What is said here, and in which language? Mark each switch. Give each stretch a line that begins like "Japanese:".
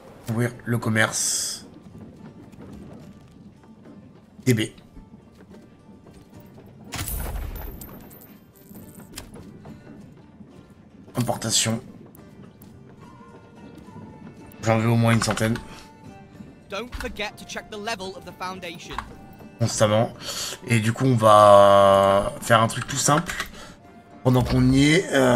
French: Ouvrir le commerce. DB. Importation. J'en veux au moins une centaine.
English: Don't forget to check the level of the foundation.
French: Constamment. Et du coup, on va faire un truc tout simple. Pendant qu'on y est.